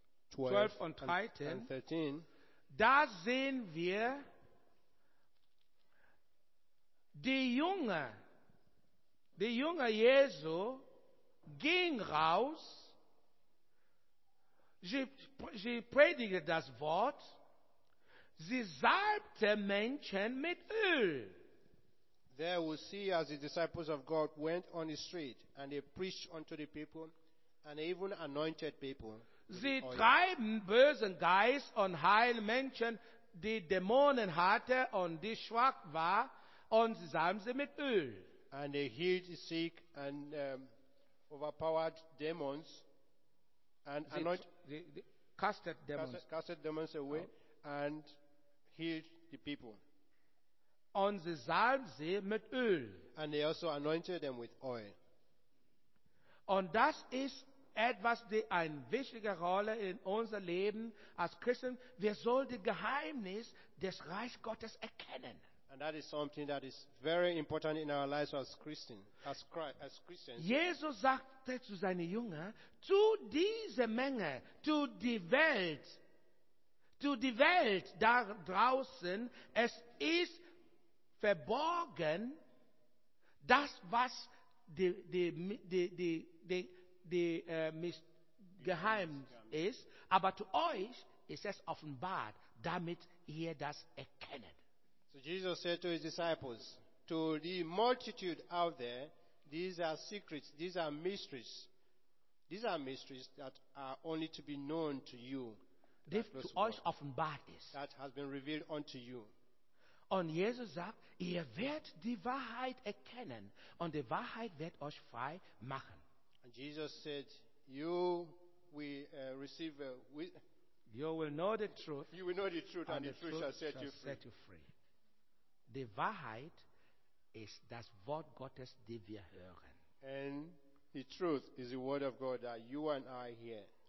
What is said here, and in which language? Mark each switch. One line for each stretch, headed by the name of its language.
German: 12 und 13, da sehen wir die Junge Jesu ging raus, sie predigte das Wort, sie salbte Menschen mit Öl.
English: There we see as the disciples of God went on the street and they preached unto the people and even anointed people.
German: Sie treiben bösen Geist und heilen Menschen, die Dämonen hatten und die schwach waren, und sie salben sie mit Öl.
English: And they healed the sick and overpowered demons and anointed. Casted demons. Casted demons away and healed the people.
German: Und sie salben sie mit Öl.
English: And they also anointed them with oil.
German: Und das ist etwas, die eine wichtige Rolle in unser Leben als Christen. Wir sollen das Geheimnis des Reich Gottes erkennen.
English: And that is something that is very important in our lives as Christians. As Christians.
German: Jesus sagte zu seinen Jüngern, zu dieser Menge, zu die Welt da draußen, es ist verborgen, das was die Geheimnis ist, aber zu euch ist es offenbart, damit ihr das erkennt.
English: So Jesus said to his disciples, to the multitude out there, these are secrets, these are mysteries. These are mysteries that are only to be known to you.
German: das to Wort, euch offenbart ist.
English: That has been revealed unto you.
German: Und Jesus sagt, ihr werdet die Wahrheit erkennen und die Wahrheit wird euch frei machen.
English: And Jesus said, you will receive you will know the truth. You will know the truth and the truth shall, set, you shall set you free.
German: Die Wahrheit ist das Wort Gottes, die wir hören.
English: And the truth is the word of God that you and I hear.